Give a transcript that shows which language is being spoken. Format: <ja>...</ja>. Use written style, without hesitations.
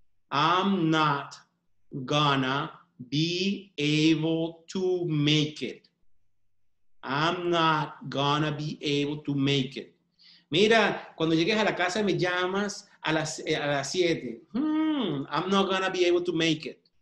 <en>I'm not gonna be able to make it. I'm not gonna be able to make it.</en> <es>Mira, cuando llegues a la casa me llamas a las 7.</es> <en>I'm not gonna be able to make it.</en>